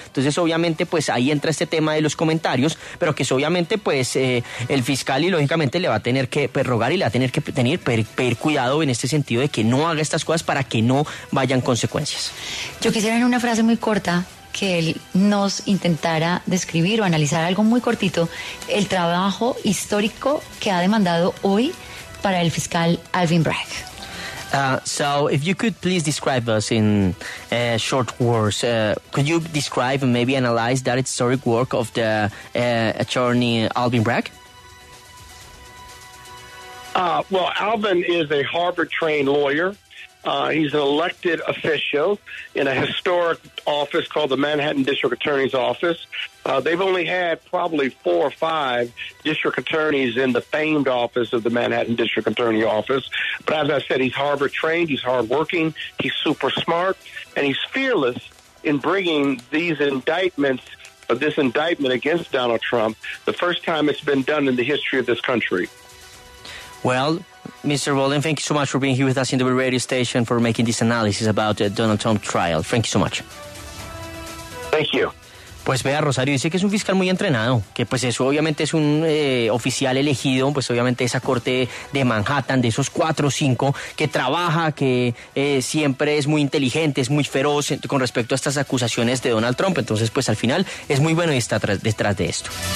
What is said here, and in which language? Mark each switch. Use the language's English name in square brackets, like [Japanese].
[Spanish] Entonces, obviamente, pues ahí entra este tema de los comentarios, pero que obviamente pues el fiscal y lógicamente le va a tener que rogar y le va a tener que pedir cuidado en este sentido de que no haga estas cosas para que no vayan consecuencias. Yo quisiera en una frase muy corta que él nos intentara describir o analizar algo muy cortito el trabajo histórico que ha demandado hoy para el fiscal Alvin Bragg. [English] So if you could please describe us in short words, could you describe and maybe analyze that historic work of the attorney Alvin Bragg? Well, Alvin is a Harvard-trained lawyer. He's an elected official in a historic office called the Manhattan District Attorney's Office. They've only had probably four or five district attorneys in the famed office of the Manhattan District Attorney Office. But as I said, he's Harvard trained, he's hardworking, he's super smart, and he's fearless in bringing these indictments, this indictment against Donald Trump, the first time it's been done in the history of this country. Well, Mr. Bolden, thank you so much for being here with us in the radio station for making this analysis about the Donald Trump trial. Thank you so much. Thank you. [Spanish] Pues vea, Rosario dice que es un fiscal muy entrenado, que pues eso obviamente es un oficial elegido, pues obviamente esa corte de Manhattan, de esos 4 o 5, que trabaja, que siempre es muy inteligente, es muy feroz con respecto a estas acusaciones de Donald Trump. Entonces, pues al final es muy bueno y está detrás de esto.